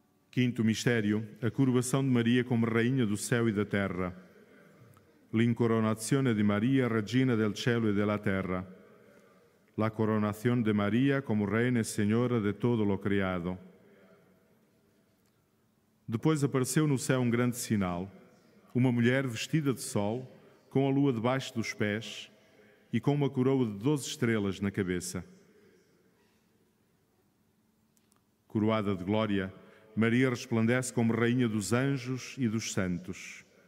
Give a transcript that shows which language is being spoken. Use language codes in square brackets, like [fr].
[pt] Quinto mistério, a coroação de Maria como Rainha do Céu e da Terra. [it] L'incoronazione di Maria, Regina del Cielo e della Terra. [es] La coronación de Maria como Reina [pt] e Senhora [es] de todo lo criado. [pt] Depois apareceu no céu um grande sinal, uma mulher vestida de sol, com a lua debaixo dos pés e com uma coroa de 12 estrelas na cabeça. Coroada de glória, Maria resplandece como Rainha dos anjos e dos santos.